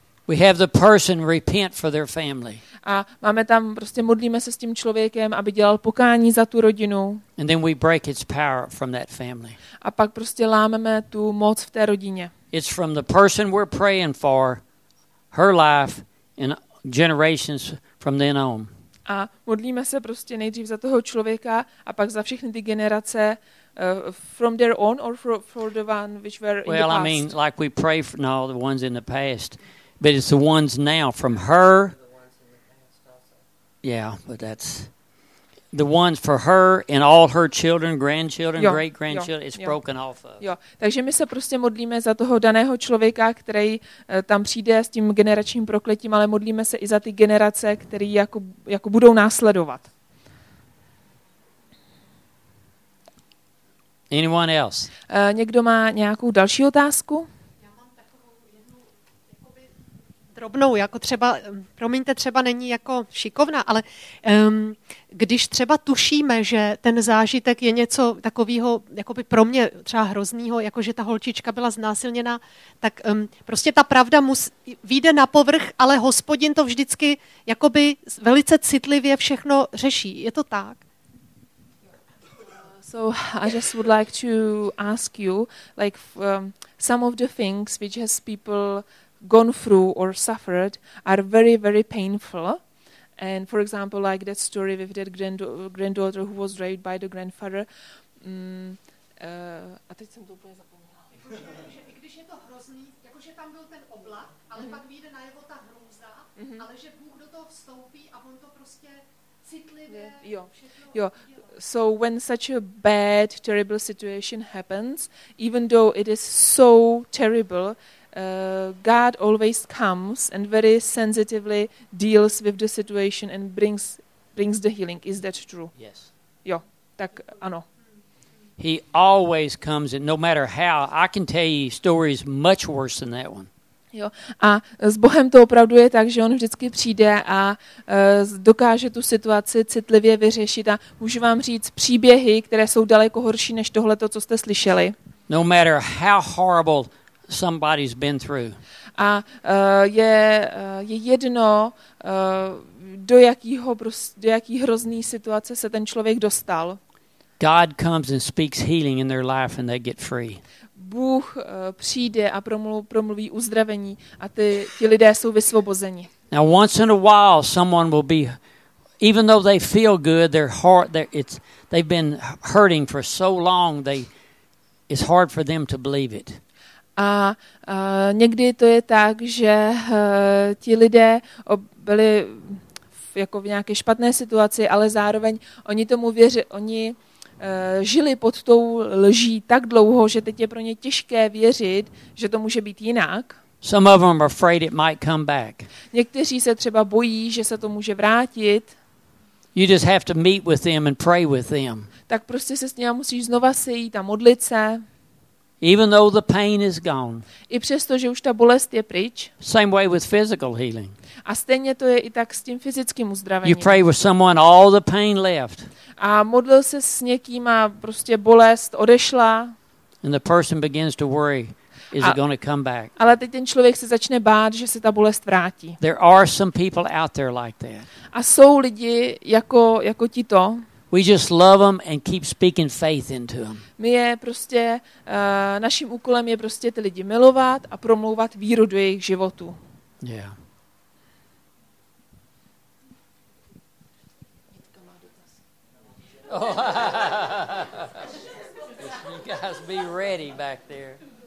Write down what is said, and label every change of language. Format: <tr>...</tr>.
<en>We have the person repent for their family.</en> <cs>A máme tam prostě modlíme se s tím člověkem, aby dělal pokání za tu rodinu.</cs> <en>And then we break its power from that family.</en> <cs>A pak prostě lámeme tu moc v té rodině.</cs> <en>It's from the person we're praying for, her life and generations from then on.</en> <cs>A modlíme se prostě nejdřív za toho člověka a pak za všechny ty generace</cs> <en>from their own or for the one which were in the past? Well, I mean, like we pray for no, the ones in the past, but it's the ones now from her. Yeah, but that's the ones for her and all her children, grandchildren, jo, great-grandchildren, jo, it's jo. Broken off of.</en> <cs>Jo. Takže my se prostě modlíme za toho daného člověka, který tam přijde s tím generačním prokletím, ale modlíme se i za ty generace, které jako budou následovat.</cs> <en>Anyone else?</en> <cs>Někdo má nějakou další otázku? Drobnou, jako třeba, promiňte, třeba není jako šikovná, ale když třeba tušíme, že ten zážitek je něco takového, jakoby pro mě třeba hroznýho, jako že ta holčička byla znásilněná, tak prostě ta pravda vyjde na povrch, ale Hospodin to vždycky jakoby velice citlivě všechno řeší. Je to tak?</cs> <en>So I just would like to ask you, like some of the things which has people gone through or suffered are very, very painful. And for example, like that story with that granddaughter who was raped by the grandfather.</en> <cs>A teď jsem to úplně zapomněla. Jakože když je to hrozný, jakože tam byl ten oblak, ale pak vyjde najevo ta hrůza, ale že Bůh do toho vstoupí a on to prostě citlivě všechno.</cs> <en>So when such a bad, terrible situation happens, even though it is so terrible, God always comes and very sensitively deals with the situation and brings the healing. Is that true? Yes.</en> <cs>Jo, tak ano.</cs> <en>He always comes and no matter how, I can tell you stories much worse than that one.</en> <cs>Jo, a s Bohem to opravdu je tak, že on vždycky přijde a dokáže tu situaci citlivě vyřešit a můžu vám říct příběhy, které jsou daleko horší než tohle to, co jste slyšeli.</cs> <en>No matter how horrible somebody's been through.</en> <cs>A je jedno, do jaký hrozný situace se ten člověk dostal.</cs> <en>God comes and speaks healing in their life and they get free.</en> <cs>Bůh přijde a promluví uzdravení a ti lidé jsou vysvobozeni.</cs> <en>Now once in a while someone will be, even though they feel good, their heart, they've been hurting for so long, it's hard for them to believe it.</en> <cs>A někdy to je tak, že ti lidé byli jako v nějaké špatné situaci, ale zároveň oni tomu věří, oni žili pod tou lží tak dlouho, že teď je pro ně těžké věřit, že to může být jinak.</cs> <en>Some of them are afraid it might come back.</en> <cs>Někteří se třeba bojí, že se to může vrátit.</cs> <en>You just have to meet with them and pray with them.</en> <cs>Tak prostě se s nimi musíš znova sejít a modlit se.</cs> <en>Even though the pain is gone.</en> <cs>I přesto, že už ta bolest je pryč.</cs> <en>Same way with physical healing.</en> <cs>A stejně to je i tak s tím fyzickým uzdravením.</cs> <en>You pray with someone, all the pain left.</en> <cs>A modlil se s někým a prostě bolest odešla.</cs> <en>And the person begins to worry, is it going to come back?</en> <cs>Ale teď ten člověk se začne bát, že se ta bolest vrátí.</cs> <en>There are some people out there like that.</en> <cs>A jsou lidi jako ti to.</cs> <en>We just love them and keep speaking faith into them.</en> <cs>My je prostě naším úkolem je prostě ty lidi milovat a promlouvat víru do jejich životu.</cs> <en>Yeah. You guys be ready back there.</en>